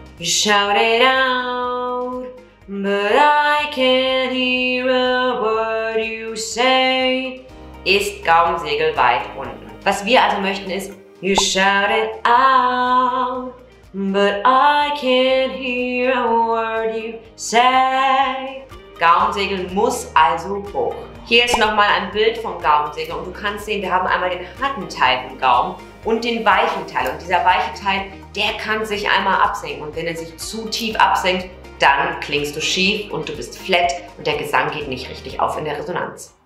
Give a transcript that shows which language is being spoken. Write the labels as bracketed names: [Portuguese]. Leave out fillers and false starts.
[English] You shout it out, but I can't hear a word you say. [German] Ist Gaumensegel weit unten. Was wir also möchten ist, [English] you shout it out, but I can't hear a word you say. [German] Gaumensegel muss also hoch. Hier ist nochmal ein Bild vom Gaumensegel und du kannst sehen, wir haben einmal den harten Teil im Gaumen und den weichen Teil. Und dieser weiche Teil, der kann sich einmal absenken. Und wenn er sich zu tief absenkt, dann klingst du schief und du bist flat und der Gesang geht nicht richtig auf in der Resonanz.